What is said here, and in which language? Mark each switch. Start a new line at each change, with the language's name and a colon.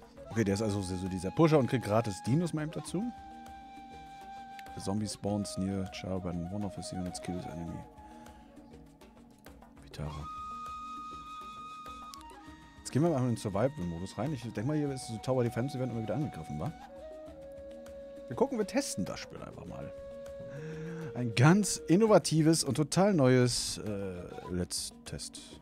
German: Okay, der ist also so dieser Pusher und kriegt gratis Dinos mal eben dazu.
English: The Zombie spawns near Char when one of his units kills enemy.
German: Vitara. Jetzt gehen wir mal in den Survival-Modus rein. Ich denke mal, hier ist so Tower Defense, die werden immer wieder angegriffen, wa? Wir gucken, wir testen das Spiel einfach mal. ein ganz innovatives und total neues Let's Test.